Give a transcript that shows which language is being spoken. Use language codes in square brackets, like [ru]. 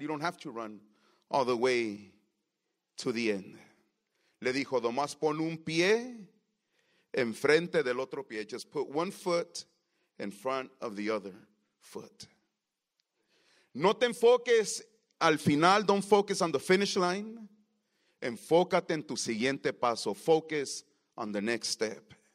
[en] You don't have to run all the way to the end. [es] Le dijo, nomás pon un pie enfrente del otro pie. [en] Just put one foot in front of the other foot. [es] No te enfoques al final. [en] Don't focus on the finish line. [es] Enfócate en tu siguiente paso. [en] Focus on the next step.